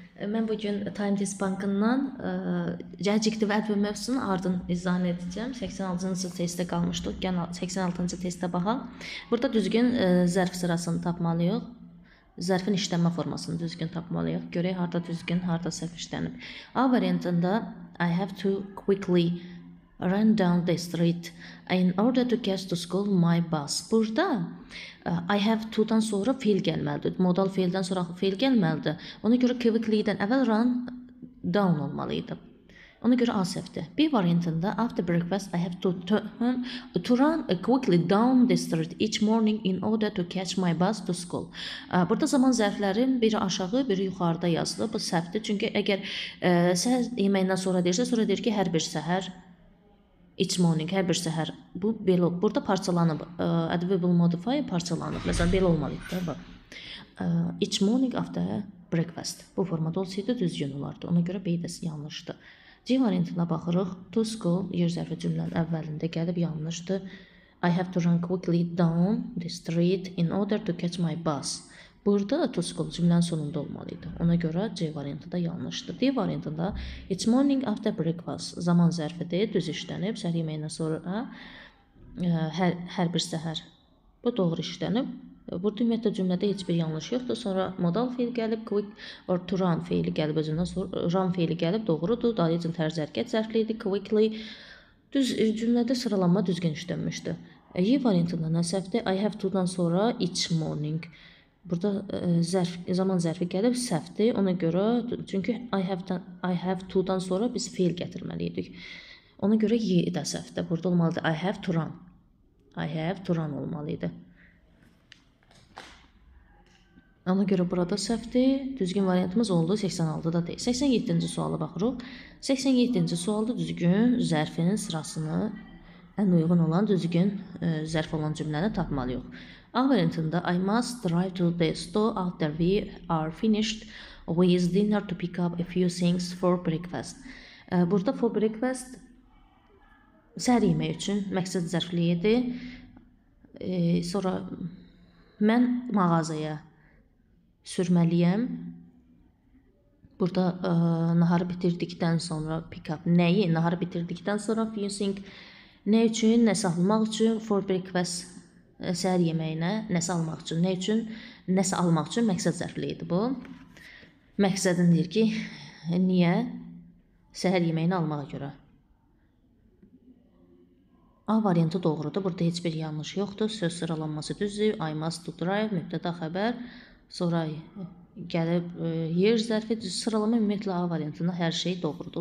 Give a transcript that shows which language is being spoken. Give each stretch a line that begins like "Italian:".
Azerbaijani: Mən bu gün Time-Test bankından gənclik və ədəbiyyat mövzusunun ardını izah edəcəm. 86-cı testdə qalmışdıq. Gəl 86-cı testə baxaq. Burada düzgün zərf sırasını tapmalıyıq. Zərfin işlənmə formasını düzgün tapmalıyıq. Görək harda düzgün, harda səhv işlənib. A variantında
English: I have to quickly run down the street in order to catch to school my bus.
Azerbaijani: Burada
English: I have to'dan
Azerbaijani: sonra fiil gəlməlidir. Modal fiildən sonra fiil gəlməlidir. Ona görə quickly-dən əvvəl
English: run down
Azerbaijani: olmalıydı. Ona görə A səhvdir. B variantında
English: after breakfast I have to run quickly down the street each morning in order to catch my bus to school.
Azerbaijani: Burada zaman zərflərin biri aşağı, biri yuxarıda yazılıb. Bu səhvdir. Çünki əgər səhər yeməyindən sonra deyirsə, sonra deyir ki, hər bir səhər
English: each morning,
Azerbaijani: hər bir səhər. Bu belə olub. Burada parçalanıb. Adverbial modifier parçalanıb. Məsələn, belə olmalı idi da. Bak.
English: Each morning after breakfast.
Azerbaijani: Bu formada olsaydı düzgün olardı. Ona görə B də yanlışdı. C variantına baxırıq.
English: To school,
Azerbaijani: yer zərfi cümlənin əvvəlində gəlib yanlışdı.
English: I have to run quickly down the street in order to catch my bus.
Azerbaijani: Burada
English: to school
Azerbaijani: cümlənin sonunda olmalıydı. Ona görə C variantı da yanlışdır. D variantında
English: it's morning after breakfast.
Azerbaijani: Zaman zərfidir, düz işlənib. Səhər yeməyindən sonra hər bir səhər. Bu doğru işlənib. Burada ümumiyyətlə cümlədə heç bir yanlış yoxdur. Sonra modal fiil gəlib,
English: quick or to run
Azerbaijani: fiili gəlib özündən sonra. Run fiili gəlib, doğrudur. Daha yəcən tərz hərəkət zərfliydi, quickly. Düz cümlədə sıralanma düzgün işlənmişdi. E variantında nə səhvdir?
English: I have to-
Azerbaijani: dan sonra
English: each morning.
Azerbaijani: Burada zaman zərfi gəlib səhvdir. Ona görə çünki
English: I have to-
Azerbaijani: dan sonra biz fiil gətirməliydik. Ona görə Y də səhvdir. Burada olmalıdır
English: I have to run. I have to run
Azerbaijani: olmalıydı. Ona görə burada səhvdir. Düzgün variantımız oldu 86-da deyil. 87-ci suala baxırıq. 87-ci sualda düzgün zərfinin sırasını ən uyğun olan düzgün zərf olan cümləni tapmalıyıq. A variantında
English: I must drive to the store after we are finished with dinner to pick up a few things for breakfast.
Azerbaijani: Burada
English: for breakfast
Azerbaijani: səhər yemək üçün məqsəd zərfliyidir. Sonra mən mağazaya sürməliyəm. Burada naharı bitirdikdən sonra
English: pick up
Azerbaijani: nəyi? Naharı bitirdikdən sonra
English: few things
Azerbaijani: nə üçün? Nə saxlamaq üçün?
English: For breakfast
Azerbaijani: səhər yeməyinə nəsə almaq üçün, nə üçün, nəsə almaq üçün məqsəd zərfliyidir bu. Məqsədin deyir ki, niyə? Səhər yeməyini almağa görə. A variantı doğrudur. Burada heç bir yanlış yoxdur. Söz sıralanması düzdür.
English: I must drive,
Azerbaijani: mübtəda xəbər. Sonra gəlib yer zərfi. Düz sıralama ümumiyyətlə A variantında hər şey doğrudur.